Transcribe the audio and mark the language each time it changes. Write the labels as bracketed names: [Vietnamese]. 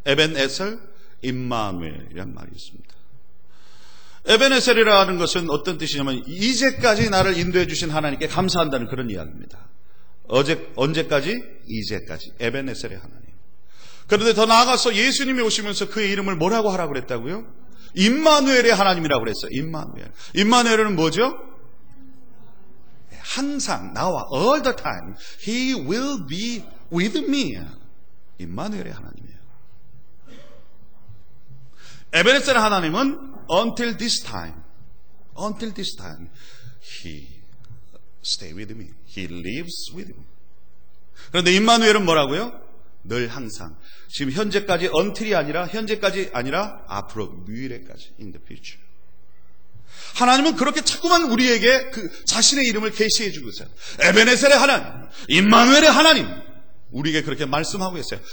[Korean] 에벤에셀, 임마누엘이란 말이 있습니다. 에벤에셀이라는 것은 어떤 뜻이냐면 이제까지 나를 인도해 주신 하나님께 감사한다는 그런 이야기입니다. 언제까지? 이제까지. 에벤에셀의 하나님. 그런데 더 나아가서 예수님이 오시면서 그의 이름을 뭐라고 하라고 그랬다고요? 임마누엘의 하나님이라고 그랬어요. 임마누엘. 임마누엘은 뭐죠? 항상 나와 [English] all the time he will be with me. [Korean] 임마누엘의 하나님이에요. 에벤에셀의 하나님은 [English] until this time he stay with me, he lives with me. [Korean] 그런데 임마누엘은 뭐라고요? 늘 항상, 지금 현재까지, until이 아니라 현재까지 아니라 앞으로 미래까지, [English] in the future. [Korean] 하나님은 그렇게 자꾸만 우리에게 그 자신의 이름을 계시해 주고 있어요. 에벤에셀의 하나님, 임마누엘의 하나님, 우리에게 그렇게 말씀하고 있어요.